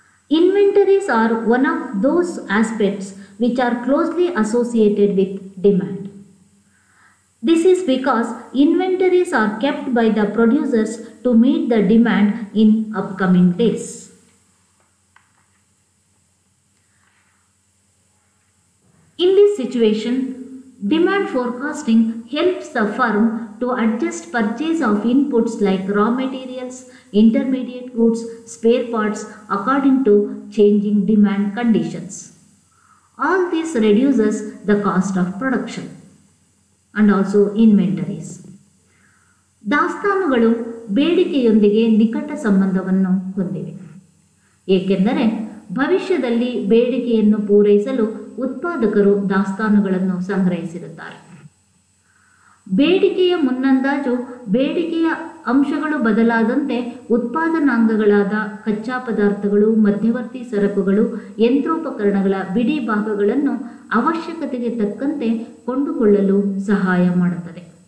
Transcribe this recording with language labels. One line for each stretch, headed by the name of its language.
English: Inventories are one of those aspects which are closely associated with demand. This is because inventories are kept by the producers to meet the demand in upcoming days. In this situation, demand forecasting helps the firm to adjust purchase of inputs like raw materials, intermediate goods, spare parts according to changing demand conditions. All this reduces the cost of production and also inventories.
Kannada: ದಾಸ್ತಾನುಗಳು ಬೇಡಿಕೆಯೊಂದಿಗೆ ನಿಕಟ ಸಂಬಂಧವನ್ನು ಹೊಂದಿವೆ ಏಕೆಂದರೆ ಭವಿಷ್ಯದಲ್ಲಿ ಬೇಡಿಕೆಯನ್ನು ಪೂರೈಸಲು ಉತ್ಪಾದಕರು ದಾಸ್ತಾನುಗಳನ್ನು ಸಂಗ್ರಹಿಸಿರುತ್ತಾರೆ. ಬೇಡಿಕೆಯ ಮುನ್ನಂದಾಜು ಬೇಡಿಕೆಯ ಅಂಶಗಳು ಬದಲಾದಂತೆ ಉತ್ಪಾದನಾಂಗಗಳಾದ ಕಚ್ಚಾ ಪದಾರ್ಥಗಳು, ಮಧ್ಯವರ್ತಿ ಸರಕುಗಳು, ಯಂತ್ರೋಪಕರಣಗಳ ಬಿಡಿ ಭಾಗಗಳನ್ನು ಅವಶ್ಯಕತೆಗೆ ತಕ್ಕಂತೆ ಕೊಂಡುಕೊಳ್ಳಲು ಸಹಾಯ ಮಾಡುತ್ತದೆ.